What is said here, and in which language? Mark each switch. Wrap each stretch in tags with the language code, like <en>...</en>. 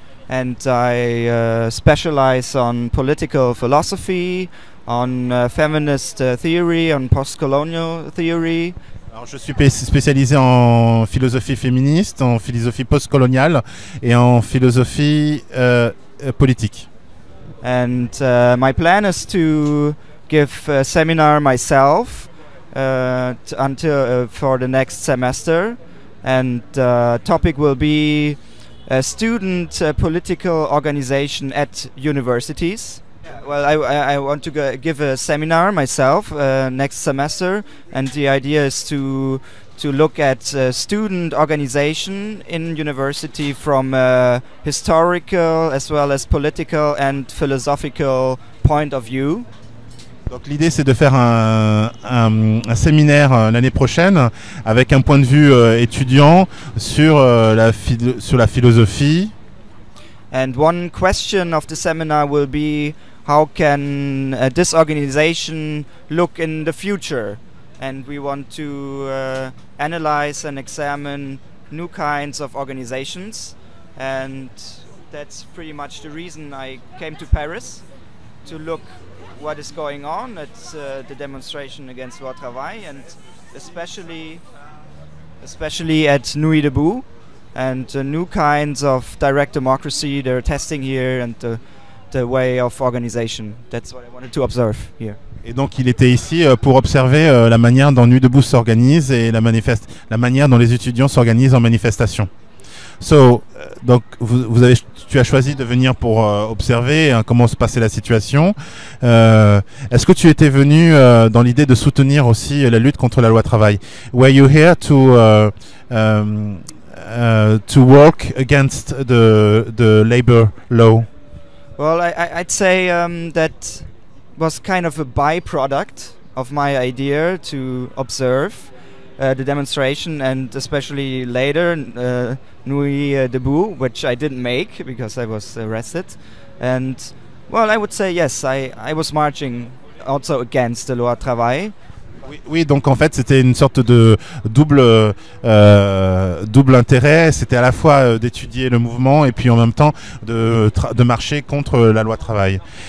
<en>And I specialize on political philosophy, on feminist theory, on postcolonial theory.</en> <fr>Alors je suis spécialisé en philosophie féministe, en philosophie postcoloniale et en philosophie politique.</fr> <en>And my plan is to give a seminar myself until for the next semester, and the topic will be a student political organization at universities. Well, I want to give a seminar myself next semester, and the idea is to look at student organization in university from a historical as well as political and philosophical point of view.</en> <fr>Donc l'idée c'est de faire un séminaire l'année prochaine avec un point de vue étudiant sur la philosophie.</fr> <en>And one question of the seminar will be: how can this organization look in the future? And we want to analyze and examine new kinds of organizations. And that's pretty much the reason I came to Paris, to look what is going on at the demonstration against loi travail, and especially at Nuit Debout, and new kinds of direct democracy they're testing here, and the way of organization. That's what I wanted to observe here.</en> <fr>Et donc il était ici pour observer la manière dont Nuit Debout s'organise et la manière dont les étudiants s'organisent en manifestation. Donc tu as choisi de venir pour observer comment se passait la situation. Est-ce que tu étais venu dans l'idée de soutenir aussi la lutte contre la loi travail?</fr> <en>Were you here to work against the labor law? Well, I'd say that was kind of a byproduct of my idea to observe the demonstration, and especially later Nuit Debout, which I didn't make because I was arrested. And well, I would say yes, I was marching also against the loi travail.</en> <fr>Oui, donc en fait, c'était une sorte de double intérêt. C'était à la fois d'étudier le mouvement et puis en même temps de marcher contre la loi travail.</fr>